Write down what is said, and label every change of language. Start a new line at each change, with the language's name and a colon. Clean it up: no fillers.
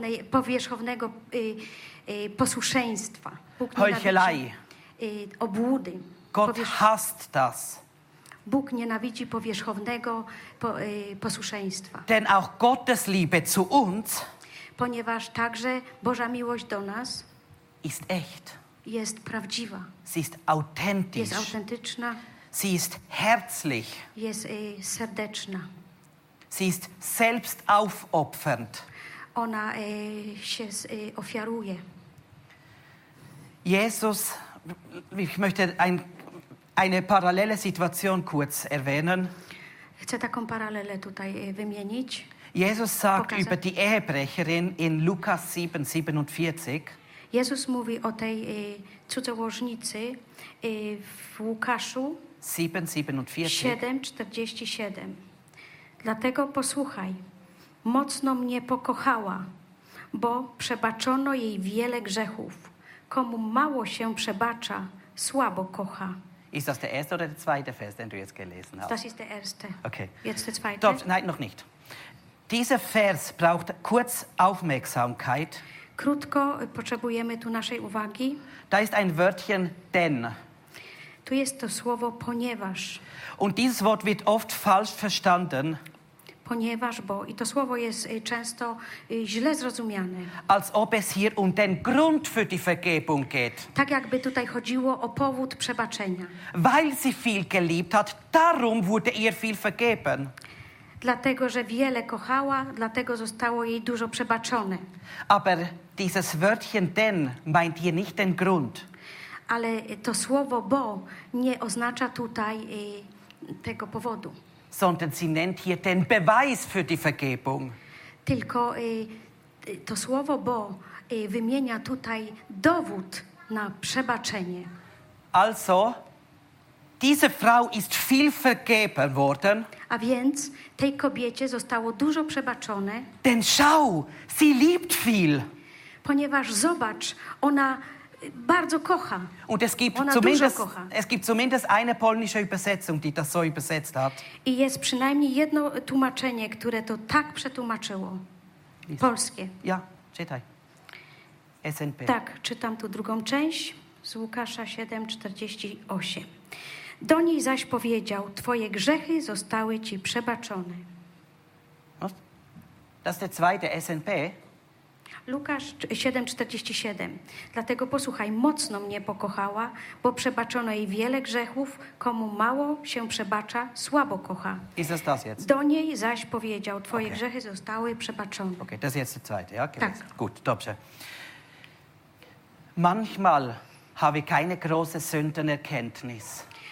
Polish: Powierzchownego posłuszeństwa.
German: Heuchelei.
Polish: Obłudy.
German: Gott hasst das.
Polish: Bóg nienawidzi powierzchownego posłuszeństwa.
German: Denn auch Gottes Liebe zu uns,
Polish: ponieważ także Boża miłość do nas
German: ist echt.
Polish: Jest prawdziwa.
German: Sie ist authentisch.
Polish: Jest autentyczna.
German: Sie ist herzlich.
Polish: Jest serdeczna.
German: Sie ist selbst aufopfernd.
Polish: Ona się ofiaruje.
German: Jesus, ich möchte eine parallele Situation kurz erwähnen.
Polish: Chcę taką paralelę tutaj wymienić.
German: Jesus sagt über die Ehebrecherin in Lukas 7:47.
Polish: Jezus mówi o tej cudzołożnicy w Łukaszu 7:47. Dlatego posłuchaj, mocno mnie pokochała, bo przebaczono jej wiele grzechów. Komu mało się przebacza, słabo kocha.
German: Ist das der erste oder der zweite Vers, den du jetzt gelesen hast? Das ist der erste. Okay. Jetzt der zweite. Doch, nein, noch nicht. Dieser Vers braucht kurz Aufmerksamkeit.
Polish: Krótko potrzebujemy tu naszej uwagi.
German: Da ist ein Wörtchen denn.
Polish: Tu jest to słowo ponieważ.
German: Und dieses Wort wird oft falsch verstanden.
Polish: Ponieważ, bo i to słowo jest często źle zrozumiane.
German: Als ob es hier um den Grund für die Vergebung geht.
Polish: Tak jakby tutaj chodziło o powód przebaczenia.
German: Weil sie viel geliebt hat, darum wurde ihr viel vergeben.
Polish: Dlatego, że wiele kochała, dlatego zostało jej dużo przebaczone.
German: Aber dieses Wörtchen denn meint hier nicht den Grund.
Polish: Ale to słowo bo nie oznacza tutaj tego powodu.
German: Sondern sie nennt hier den Beweis für die Vergebung.
Polish: Tylko to słowo bo wymienia tutaj dowód na przebaczenie.
German: Also, diese Frau ist viel vergeben worden.
Polish: A więc tej kobiecie zostało dużo przebaczone.
German: Denn schau, sie liebt viel.
Polish: Ponieważ zobacz, ona bardzo kocha.
German: Und es gibt
Polish: ona
German: zumindest,
Polish: dużo kocha.
German: Es gibt zumindest eine polnische Übersetzung, die das so übersetzt hat.
Polish: I jest przynajmniej jedno tłumaczenie, które to tak przetłumaczyło. Lisa. Polskie. Ja, czytaj. SNP. Tak, czytam tu drugą część z Łukasza 7:48. Do niej zaś powiedział, twoje grzechy zostały ci przebaczone.
German: Das ist der zweite SNP.
Polish: Lukasz 7:47. Dlatego posłuchaj, mocno mnie pokochała, bo przebaczono jej wiele grzechów, komu mało się przebacza, słabo kocha.
German: Ist das das jetzt?
Polish: Do niej zaś powiedział, twoje okay. grzechy zostały przebaczone.
German: Okay, das ist jetzt der zweite, ja?
Polish: Tak.
German: Gut,
Polish: dobrze.
German: Manchmal habe ich keine große Sündenerkenntnis.